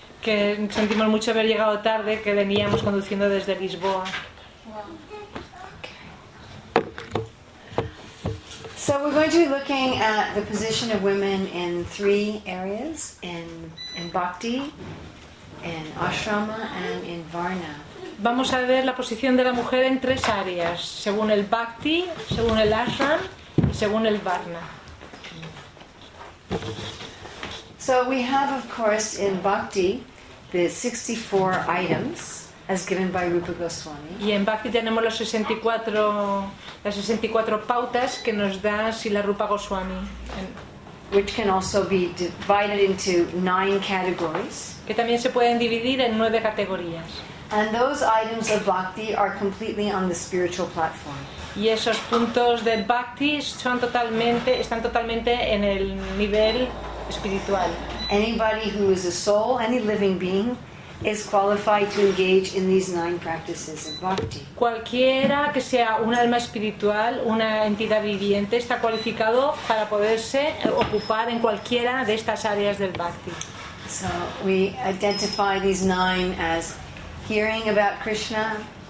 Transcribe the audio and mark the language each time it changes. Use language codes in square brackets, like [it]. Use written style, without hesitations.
[es] que sentimos mucho haber llegado tarde, que veníamos conduciendo desde Lisboa. [en] So we're going to be looking at the position of women in three areas, in bhakti, in ashrama, and in varna. [es] Vamos a ver la posición de la mujer en tres áreas, según el bhakti, según el ashram, y según el varna. [en] So we have, of course, in bhakti, the 64 items as given by Rupa Goswami. [es] Y en bhakti tenemos los 64 las 64 pautas que nos da Srila Rupa Goswami. [en] Which can also be divided into 9 categories. [es] Que también se pueden dividir en 9 categorías. [en] And those items of bhakti are completely on the spiritual platform. [es] Y esos puntos de bhakti están totalmente en el nivel espiritual. [en] Anybody who is a soul, any living being, is qualified to engage in these 9 practices of bhakti. [es] Cualquiera que sea un alma espiritual, una entidad viviente, está cualificado para poderse ocupar en cualquiera de estas áreas del bhakti. [en] So we identify these 9 as hearing about Krishna.